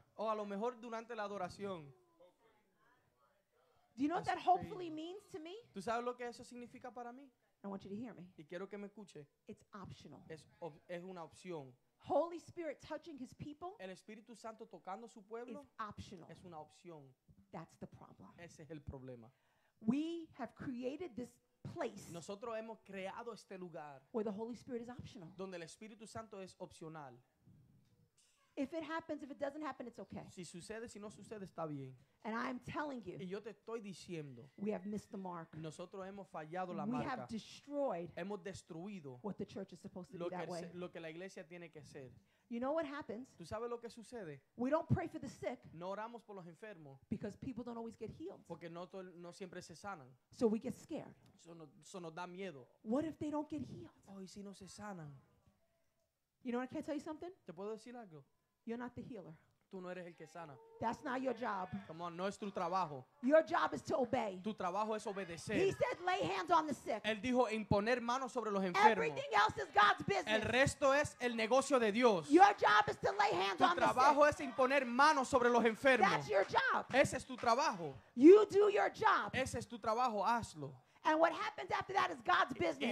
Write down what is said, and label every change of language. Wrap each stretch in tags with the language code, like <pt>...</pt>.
<es>O a lo mejor durante la adoración.</es> <en>Do you know what that hopefully means to me?</en> <es>¿Tú sabes lo que eso significa para mí?</es> <en>I want you to hear me.</en> <es>Y quiero que me escuche.</es> <en>It's optional.</en> <es>Es una opción.</es> <en>Holy Spirit touching his people.</en> <es>El Espíritu Santo tocando su pueblo.</es> <en>Is optional.</en> <es>Es una opción.</es> <en>That's the problem.</en> <es>Ese es el problema.</es> <en>We have created this place.</en> <es>Nosotros hemos creado este lugar.</es> <en>Where the Holy Spirit is optional.</en> <es>Donde el Espíritu Santo es opcional.</es> <en>If it happens, if it doesn't happen, it's okay.</en> <es>Si sucede, si no sucede, está bien.</es> <en>And I'm telling you.</en> <es>Y yo te estoy diciendo.</es> <en>We have missed the mark.</en> <es>Nosotros hemos fallado la</es> <en>we</en> <es>marca.</es> <en>We have destroyed.</en> <es>Hemos destruido.</es> <en>What the church is supposed to be that way.</en> <es>Lo que la iglesia tiene que ser.</es> <en>You know what happens?</en> <es>¿Tú sabes lo que sucede?</es> <en>We don't pray for the sick.</en> <es>No oramos por los enfermos.</es> <en>Because people don't always get healed.</en> <es>Porque no siempre se sanan.</es> <en>So we get scared.</en> <es>Eso nos da miedo.</es> <en>What if they don't get healed?</en> <es>Oh, ¿y si no se sanan?</es> <en>You know what, can I tell you something?</en> <es>¿Te puedo decir algo?</es> <en>You're not the healer.</en> <es>Tú no eres el que sana.</es> <en>That's not your job. Come on,</en> <es>no es tu trabajo.</es> <en>Your job is to obey.</en> <es>Tu trabajo es obedecer.</es> <en>He said, lay hands on the sick.</en> <es>Él dijo, imponer manos sobre los enfermos.</es> <en>Everything else is God's business.</en> <es>El resto es el negocio de Dios.</es> <en>Your job is to lay hands</en> <es>tu</es> <en>on the sick.</en> <es>Tu trabajo es imponer manos sobre los enfermos.</es> <en>That's your job.</en> <es>Ese es tu trabajo.</es> <en>You do your job.</en> <es>Ese es tu trabajo, hazlo.</es> <en>And what happens after that is God's business.</en>